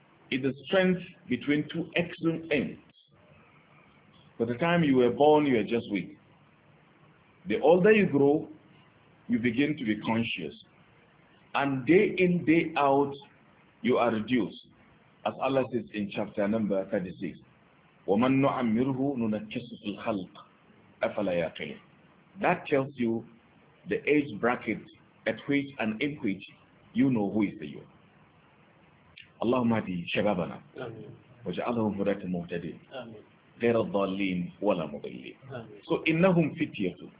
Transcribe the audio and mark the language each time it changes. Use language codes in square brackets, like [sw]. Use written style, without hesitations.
[en] is the strength between two excellent ends. By the time you were born, you are just weak. The older you grow, you begin to be conscious. And day in, day out, you are reduced. As Allah says in chapter number 36, [ar] وَمَنْ نُعَمِّرْهُ نُنَكِّسُ فِي الْخَلْقِ أَفَلَا يَقِينَ. [en] That tells you the age bracket at which and in which you know who is the you. [ar] اللهم اهد شبابنا واجعلهم هداة مهتدين غير الضالين ولا مضلين. So إنهم فتية.